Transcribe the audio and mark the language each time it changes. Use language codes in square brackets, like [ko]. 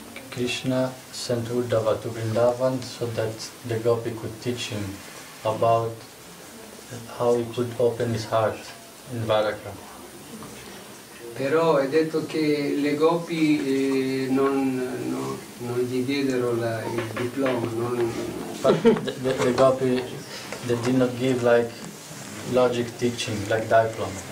[en] Krishna sent Uddhava to Vrindavan so that the gopi could teach him about how he could open his heart in Bharata. [it] Però è detto che le gopi non gli diedero il diploma, non. [en] But the gopi they did not give like logic teaching, like diploma.